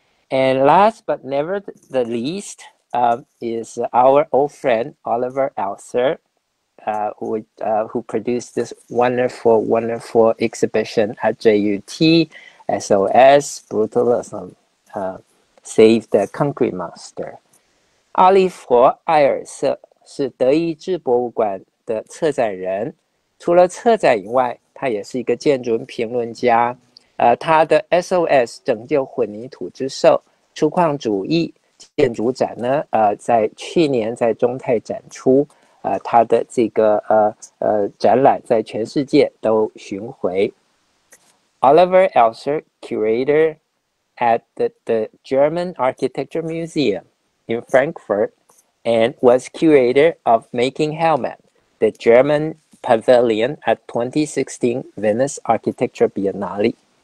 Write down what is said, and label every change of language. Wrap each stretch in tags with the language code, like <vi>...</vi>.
<en>And last but never the least, is our old friend, Oliver Elser, who produced this wonderful, wonderful exhibition at JUT, SOS, Brutalism, Save the Concrete Monster.</en> <zh>阿利佛·埃尔瑟是德意志博物馆的策展人，除了策展以外，他也是一个建筑评论家。他的 SOS 拯救混凝土之兽粗犷主义建筑展呢，在去年在中泰展出，他的这个展览在全世界都巡回。</zh> <en>Oliver Elser, curator at the German Architecture Museum in Frankfurt, and was curator of Making Helmet, the German pavilion at 2016 Venice Architecture Biennale.</en>